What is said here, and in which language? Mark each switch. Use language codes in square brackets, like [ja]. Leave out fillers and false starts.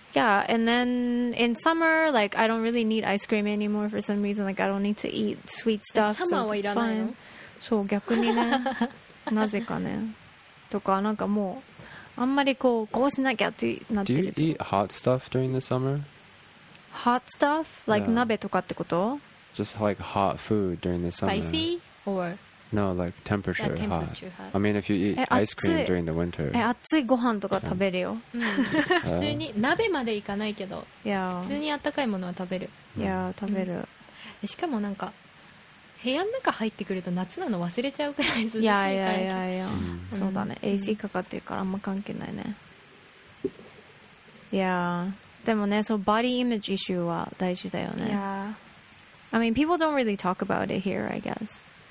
[en] Yeah, and then in summer, like, I don't really need ice cream anymore for some reason. Like, I don't need to eat sweet stuff, so it's fine. [ja] そう、逆にね。なぜかね。とか、なんかもう、あんまりこう、こうしなきゃってなってると。 [en] Do you eat hot stuff during the summer? Hot stuff? Like, yeah. [ja] 鍋とかってこと? [en] Just like hot food during the summer. Spicy? Or... No, like temperature, yeah, temperature hot. I mean, if you eat ice cream during the winter. [ja] え、熱いご飯とか食べるよ。普通に鍋まで行かないけど、 [en] yeah. [ja] 普通に温かいものは食べる。いや、食べる。しかもなんか部屋の中入ってくると夏なの忘れちゃうくらい涼しいから。いや、そうだね。 AC かかってるからあんま関係ないね。いや、でもね、そう、バディイメージイシューは大事だよね。 [en] Yeah. I mean, people don't really talk about it here, I guess.